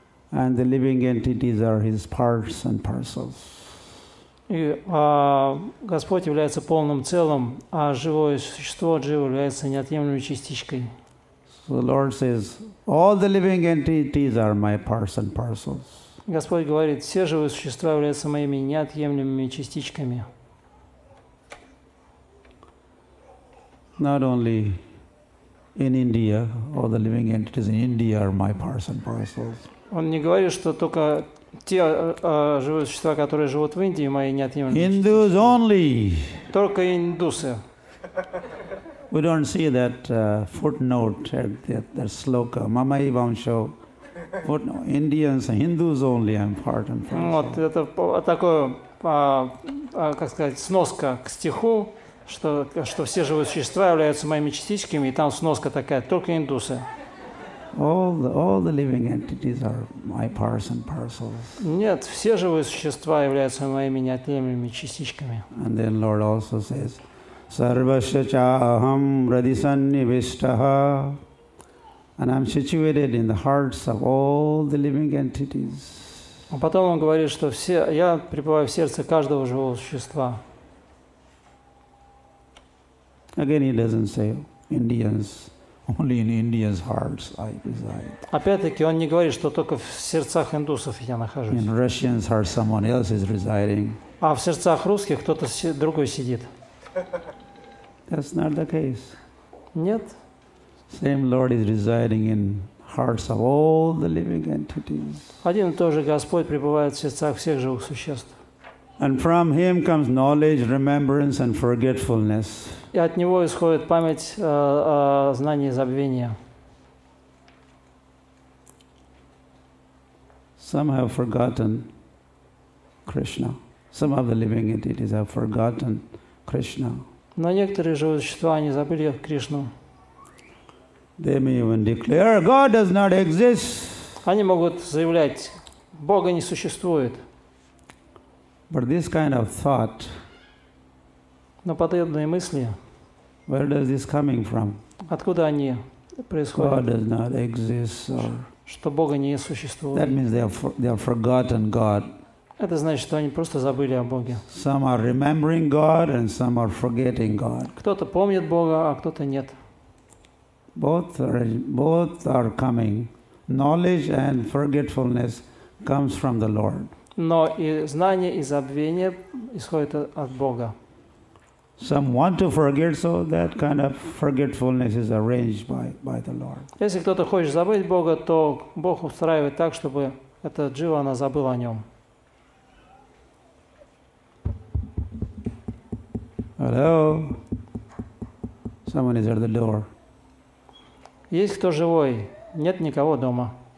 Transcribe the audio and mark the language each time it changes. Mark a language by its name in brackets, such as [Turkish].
[English] And the living entities are his parts and parcels. [Russian] Господь является полным целым, а живое существо Джива является неотъемлемой частичкой. [English] So the Lord says, all the living entities are my parts and parcels. [Russian] Господь говорит, все живые существа являются моими неотъемлемыми частичками. [English] Not only in India, all the living entities in India are my parts and parcels. [Russian] Он не говорит, что только те живые существа, которые живут в Индии, мои неотъемлемые. [English] Hindus only. [Russian] Только индусы. [English] We don't see that footnote at that sloka. Mama Ivansho. Footnote. Indians and Hindus only. I'm part and parcel. [Russian] Вот это такое, как сказать, сноска к стиху, что все живые существа являются моими частичками, и там сноска такая: только индусы. [English] All the living entities are my parts and parcels. [Russian] Нет, все живые существа являются моими неотъемлемыми частичками. [English] And then Lord also says, [Sanskrit] "Sarvasya chaham radisannivistaha," [English] and I'm situated in the hearts of all the living entities. [Russian] А потом он говорит, что все, я пребываю в сердце каждого живого существа. [English] Again, he doesn't say Indians. Only in India's hearts I reside. [Russian] Опять-таки, он не говорит, что только в сердцах индусов я нахожусь. [English] In Russians' hearts, someone else is residing. [Russian] А в сердцах русских кто-то другой сидит. [English] That's not the case. [Russian] Нет. [English] Same Lord is residing in hearts of all the living entities. [Russian] Один и тот же Господь пребывает в сердцах всех живых существ. [English] And from Him comes knowledge, remembrance, and forgetfulness. [Russian] И от него исходит память, знание и забвение. [English] Some have forgotten Krishna. Some of the living entities have forgotten Krishna. [Russian] Но некоторые живые существа не забыли Кришну. [English] They may even declare, God does not exist. [Russian] Они могут заявлять, Бога не существует. [English] But this kind of thought. [Russian] Но подобные мысли. [English] Where does this coming from? [Russian] Откуда они происходят? [English] God does not exist, or [Russian] что Бога не существует. [English] That means they have forgotten God. [Russian] Это значит, что они просто забыли о Боге. [English] Some are remembering God and some are forgetting God. [Russian] Кто-то помнит Бога, а кто-то нет. [English] Both are coming. Knowledge and forgetfulness comes from the Lord. [Russian] Но и знание, и забвение исходят от Бога. [English] Some want to forget, so that kind of forgetfulness is arranged by the Lord. [Russian] Если кто-то хочет забыть Бога, то Бог устраивает так, чтобы эта джива она забыла о нем. [English] Hello. Someone is at the door. [Russian] Есть кто живой? Нет никого дома.